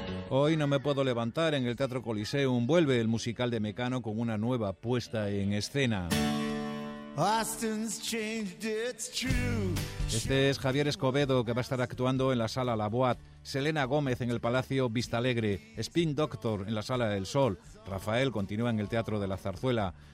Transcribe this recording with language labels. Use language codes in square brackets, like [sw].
[es] Hoy no me puedo levantar, en el Teatro Coliseum vuelve el musical de Mecano con una nueva puesta en escena. [en] Austin's changed, it's true. [es] Este es Javier Escobedo, que va a estar actuando en la sala La Boat. Selena Gómez en el Palacio Vistalegre. Spin Doctor en la sala El Sol. Rafael continúa en el Teatro de la Zarzuela.